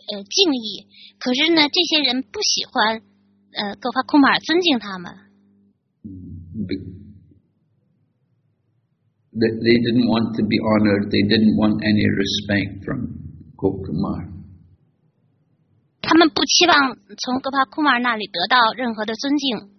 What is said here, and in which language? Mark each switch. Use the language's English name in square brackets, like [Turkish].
[Chinese] 敬意，可是呢，这些人不喜欢，格帕库马尔尊敬他们。 [English] They didn't want to be honored. They didn't want any respect from Gop Kumar. [Chinese] 他们不期望从格帕库马尔那里得到任何的尊敬。